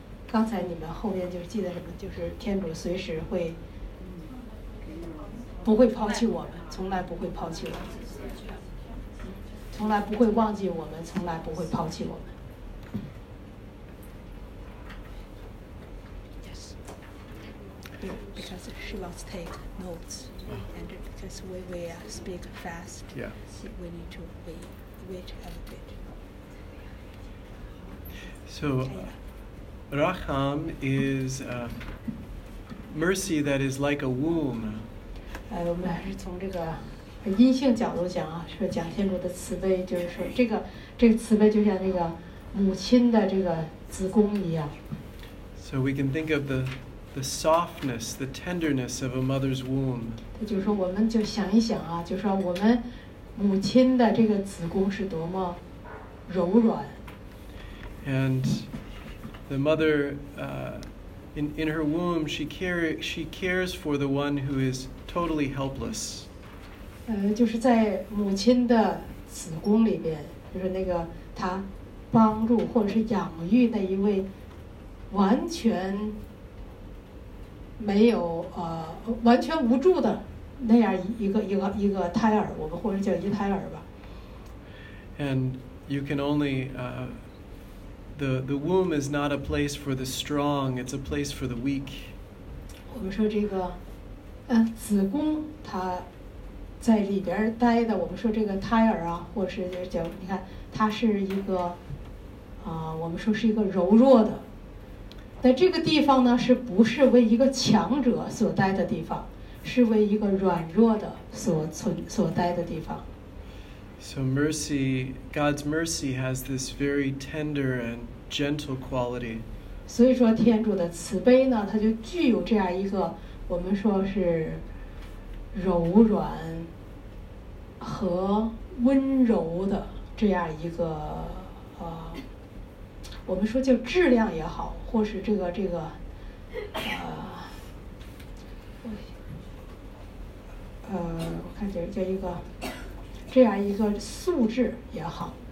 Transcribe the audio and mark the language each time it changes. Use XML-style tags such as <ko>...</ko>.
<zh>刚才你们后面就是记得什么？就是天主随时会，不会抛弃我们，从来不会抛弃我们，从来不会忘记我们，从来不会抛弃我们。</zh> <en>Because she wants to take notes, and because we speak fast, we need to wait a little bit. So, Racham is mercy that is like a womb.</en> <zh>我们还是从这个阴性角度讲啊，说讲天主的慈悲，就是说这个慈悲就像那个母亲的这个子宫一样。</zh> <en>So we can think of the softness, the tenderness of a mother's womb.</en> <zh>就是说我们就想一想啊，就是说我们母亲的这个子宫是多么柔软。</zh> <en>And the mother, in her womb, she cares for the one who is totally helpless.</en> <zh>就是在母亲的子宫里边，就是那个她帮助或者是养育那一位完全没有完全无助的那样一个胎儿，我们或者叫一胎儿吧。</zh> <en>And you can only the womb is not a place for the strong, it's a place for the weak.</en> <zh>我们说这个，子宫它在里边待的，我们说这个胎儿啊，或者是叫你看，它是一个我们说是一个柔弱的。在这个地方呢，是不是为一个强者所待的地方，是为一个软弱的所待的地方。</zh> <en>So mercy, God's mercy has this very tender and gentle quality.</en> <zh>所以说天主的慈悲呢，它就具有这样一个我们说是柔软和温柔的这样一个我们说叫质量也好，或是这个我看叫一个这样一个素质也好。</zh>